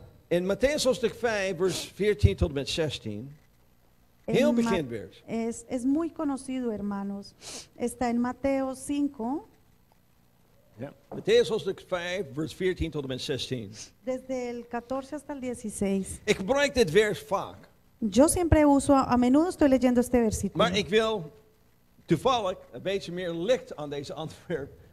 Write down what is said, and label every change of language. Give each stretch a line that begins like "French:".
Dutch: En Mateus hoofdstuk 5, vers 14 tot met 16. Heel bekend vers.
Spanish: Es muy conocido, hermanos. Está en Mateo 5.
Dutch: Mateus hoofdstuk 5, vers 14 tot en met 16.
Spanish: Desde el 14 hasta el 16.
Dutch: Ik gebruik dit vers vaak.
Spanish: Yo siempre uso, a menudo estoy leyendo este versículo.
Dutch: Maar ik wil toevallig een beetje meer licht aan deze antwoord.